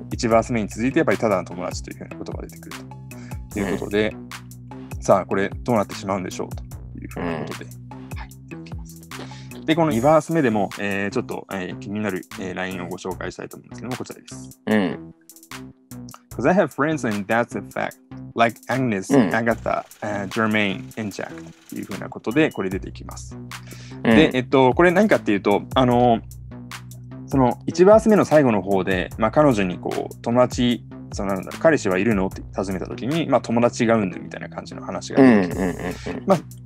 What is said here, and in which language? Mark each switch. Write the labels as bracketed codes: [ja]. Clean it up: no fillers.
[ja] 1バース目に続いて、やっぱりただの友達というふうな言葉が出てくるということで、さあ、これどうなってしまうんでしょうというふうなことで、入っておきます。で、この2バース目でも、ちょっと、気になる、LINE をご紹介したいと思うんですけども、こちらです。うん。 [en] Because I have friends and that's a fact. Like Agnes,、Agatha,、Germaine, and Jack. [ja] というふうなことで、これ出てきます。で、これ何かっていうと、その、1バース目の最後の方で、彼女にこう、友達、そのなんだろう、彼氏はいるのって尋ねたときに、友達がうんぬみたいな感じの話が出てきます。